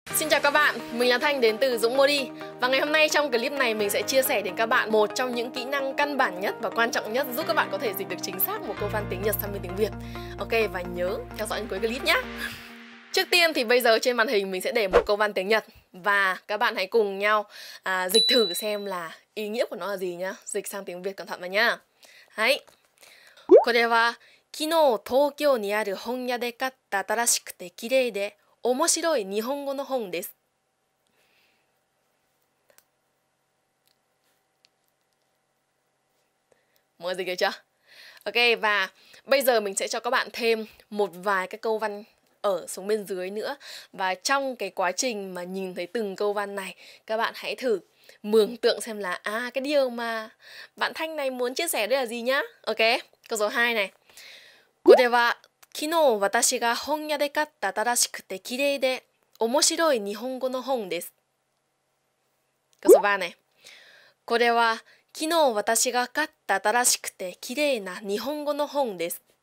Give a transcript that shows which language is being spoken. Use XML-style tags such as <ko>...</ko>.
<vi>Xin chào các bạn, mình là Thanh đến từ Dũng Body. Và ngày hôm nay trong clip này mình sẽ chia sẻ đến các bạn một trong những kỹ năng căn bản nhất và quan trọng nhất giúp các bạn có thể dịch được chính xác một câu văn tiếng Nhật sang bên tiếng Việt. Ok, và nhớ theo dõi đến cuối clip nhé. Trước tiên thì bây giờ trên màn hình mình sẽ để một câu văn tiếng Nhật và các bạn hãy cùng nhau dịch thử xem là ý nghĩa của nó là gì nhá. Dịch sang tiếng Việt cẩn thận vào nhá. Hãy.</vi> <ja>これは昨日東京にある本屋で買った新しくて綺麗で面白い日本語の本です。もう一度言うじゃん。</ja> <vi>OK, và bây giờ mình sẽ cho các bạn thêm một vài cái câu văn ở xuống bên dưới nữa. Và trong cái quá trình mà nhìn thấy từng câu văn này, các bạn hãy thử mường tượng xem là cái điều mà bạn Thanh này muốn chia sẻ đây là gì nhá. OK, câu số 2 này.</vi> <ja>これは昨日私が本屋で買った新しくて綺麗で面白い日本語の本です。</ja> <vi>câu số 3 này.</vi> <ja>これは昨日私が買った新しくて綺麗な日本語の本です。</ja>